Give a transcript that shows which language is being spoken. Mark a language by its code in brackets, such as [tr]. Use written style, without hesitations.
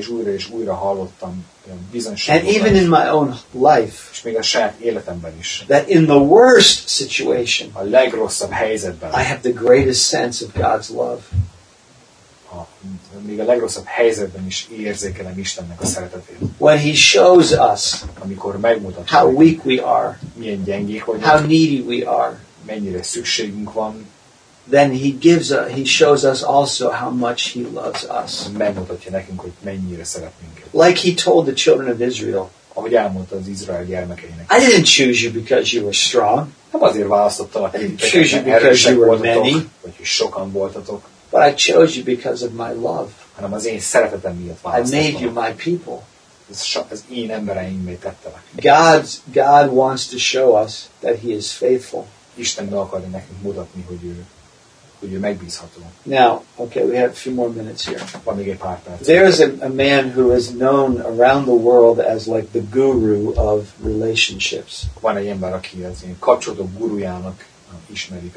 [hu] És újra hallottam bizonyságokat. [en] And even in my own life. [hu] És még a saját életemben is. [en] That in the worst situation. [hu] A legrosszabb helyzetben. [en] I have the greatest sense of God's love. [hu] Még a legrosszabb helyzetben is érzékelem Istennek a szeretetét. [en] When he shows us. [hu] Amikor megmutatja. [en] How weak we are. [hu] Milyen gyengék vagyunk. [en] How needy we are. [hu] Mennyire szükségünk van. [en] Then he gives a, he shows us also how much he loves us. [hu] Megmutatja nekünk, hogy mennyire szeret minket. [en] Like he told the children of Israel. [hu] Ahogy elmondta az Izrael gyermekeinek. [en] I didn't choose you because you were strong. [hu] Nem azért választottalak titeket, mert erősek [en] because you were [hu] voltatok, [en] many, [hu] vagy hogy sokan voltatok. [en] But I chose you because of my love. [hu] Hanem az én szeretetem miatt választottam. [en] I made you my people. [hu] Az én embereimmé tettelek. [en] God wants to show us that he is faithful. [hu] Isten meg akarja nekünk mutatni, hogy ő. Hogy ő megbízható. [en] Now, okay, we have a few more minutes here. [hu] Van még egy pár perc. [en] There is a man who is known around the world as like the guru of relationships. [hu] Van egy ember, aki az ilyen kapcsolatok gurujának ismerik.